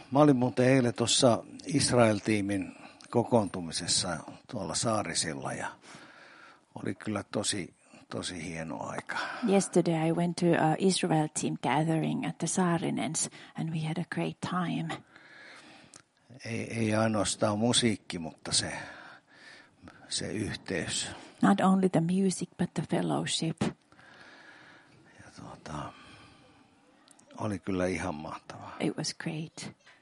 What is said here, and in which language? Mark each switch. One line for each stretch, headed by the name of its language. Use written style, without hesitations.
Finnish: Mä olin muuten eilen tuossa Israel-tiimin kokoontumisessa tuolla saarisilla ja oli kyllä tosi hieno aika.
English: Yesterday I went to a Israel team gathering at the Saarinens and we had a great time.
Finnish: Ei ainoastaan musiikki, mutta se yhteys.
English: Not only the music but the fellowship.
Finnish: Ja oli kyllä ihan mahtavaa.
English: It was great.